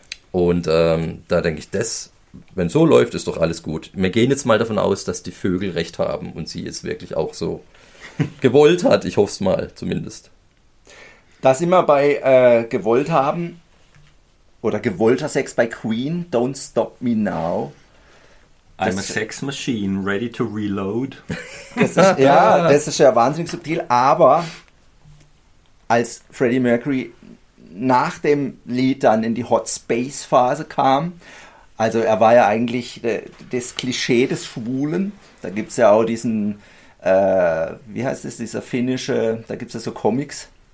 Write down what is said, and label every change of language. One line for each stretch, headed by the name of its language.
German: Und da denke ich, wenn so läuft, ist doch alles gut. Wir gehen jetzt mal davon aus, dass die Vögel recht haben und sie es wirklich auch so gewollt hat. Ich hoffe es mal, zumindest. Das immer bei gewollt haben oder gewollter Sex bei Queen, Don't Stop Me Now.
English: I'm a sex machine, ready to reload.
German: Das ist ja wahnsinnig subtil, aber als Freddie Mercury nach dem Lied dann in die Hot-Space-Phase kam. Also er war ja eigentlich das Klischee des Schwulen. Da gibt es ja auch diesen, wie heißt es, dieser finnische, da gibt es ja so Comics.